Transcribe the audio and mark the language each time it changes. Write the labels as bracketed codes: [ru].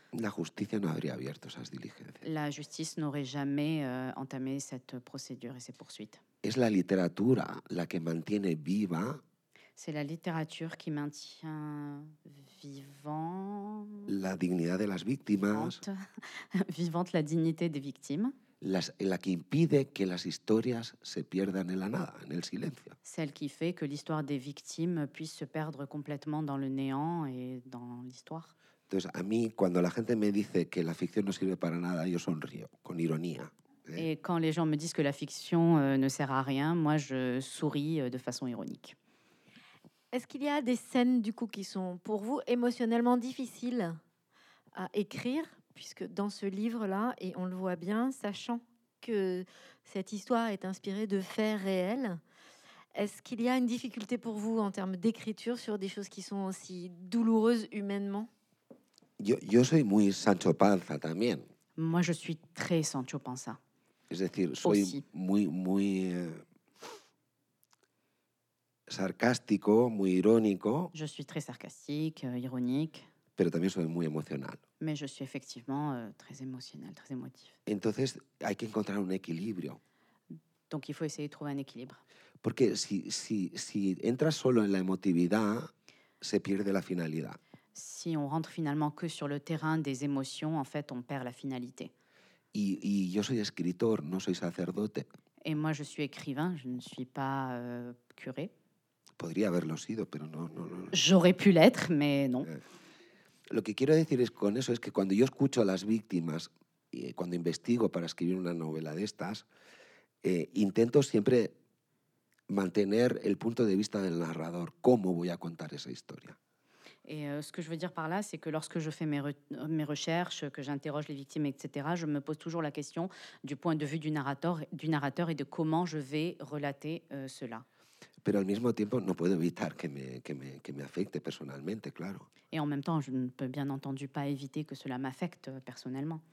[es] la justicia no habría abierto esas diligencias. [fr] La justice n'aurait jamais entamé cette procédure et ces poursuites. [es] Es la literatura la que mantiene viva. [fr] C'est la littérature qui maintient vivant [es] la dignidad de las víctimas. [fr] Vivante la dignité des victimes. [es] La que impide que las historias se pierdan en la nada, en el silencio. [fr] Celle qui fait que l'histoire des victimes puisse se perdre complètement dans le néant et dans l'histoire. [es] Entonces, a mí cuando la gente me dice que la ficción no sirve para nada, yo sonrío con ironía. [fr] Et quand les gens me disent que la fiction ne sert à rien, moi je souris de façon ironique. Est-ce qu'il y a des scènes du coup qui sont pour vous émotionnellement difficiles à écrire, puisque dans ce livre-là, et on le voit bien, sachant que cette histoire est inspirée de faits réels, est-ce qu'il y a une difficulté pour vous en termes d'écriture sur des choses qui sont aussi douloureuses humainement ? [es] Yo soy muy Sancho Panza también. [fr] Moi je suis très Sancho Panza. [es] Es decir, soy [fr] aussi. [es] muy sarcástico, muy irónico. [fr] Je suis très sarcastique, ironique. [es] Pero también soy muy emocional. [fr] Mais je suis effectivement très émotionnel, très émotif. [es] Entonces, hay que encontrar un equilibrio. [fr] Donc il faut essayer de trouver un équilibre. [es] Porque si entras solo en la emotividad, se pierde la finalidad. [fr] Si on rentre finalement que sur le terrain des émotions, en fait, on perd la finalité. [es] Y yo soy escritor, no soy sacerdote. [fr] Et moi je suis écrivain, je ne suis pas curé. [es] Podría haberlo sido, pero no. [fr] J'aurais pu l'être, mais non. [es] Lo que quiero decir es con eso es que cuando yo escucho a las víctimas y cuando investigo para escribir una novela de estas, intento siempre mantener el punto de vista del narrador, cómo voy a contar esa historia. [fr] Et ce que je veux dire par là, c'est que lorsque je fais mes recherches, que j'interroge les victimes, etc., je me pose toujours la question du point de vue du narrateur et de comment je vais relater cela. [es] Pero al mismo tiempo no puedo evitar que me afecte personalmente, claro. [fr] Et en même temps, je ne peux bien entendu pas éviter que cela m'affecte personnellement.